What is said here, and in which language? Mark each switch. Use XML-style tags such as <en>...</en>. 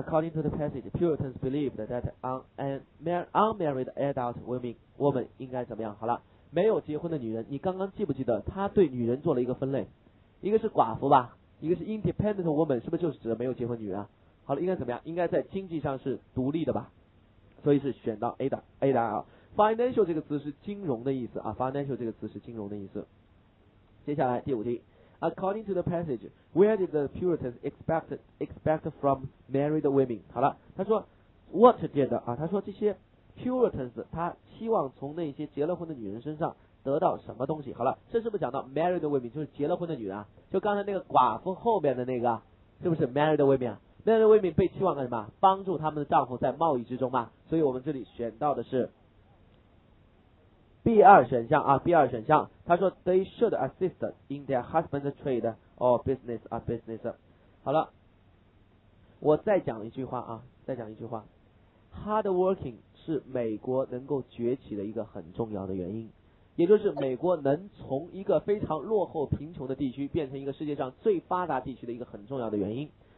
<en>According to the passage, Puritans believed that unmarried adult woman</en> <zh>应该怎么样？好了，没有结婚的女人，你刚刚记不记得他对女人做了一个分类？一个是寡妇吧，一个是</zh> <en>independent woman，</en> <zh>是不是就是指的没有结婚女人啊？好了，应该怎么样？应该在经济上是独立的吧，所以是选到 A 的啊。 financial 这个词是金融的意思啊， financial 这个词是金融的意思。接下来第五题，</zh> <en>According to the passage， where did the Puritans expect from married women？</en> <zh>好了，他说</zh> <en>what did</en> <zh>啊，他说这些 Puritans 他期望从那些结了婚的女人身上得到什么东西？好了，这是不是讲到</zh> <en>married women，</en> <zh>就是结了婚的女人啊？就刚才那个寡妇后面的那个，是不是 married women？</zh> <en>married women</en> <zh>被期望干什么？帮助他们的丈夫在贸易之中嘛。所以我们这里选到的是 B 二选项啊， B 二选项。</zh> <en>他说 they should assist in their husband's trade or business 啊 business。</en> <zh>好了，我再讲一句话啊，再讲一句话。</zh> <en>Hard working</en> <zh>是美国能够崛起的一个很重要的原因。也就是美国能从一个非常落后贫穷的地区变成一个世界上最发达地区的一个很重要的原因。</zh>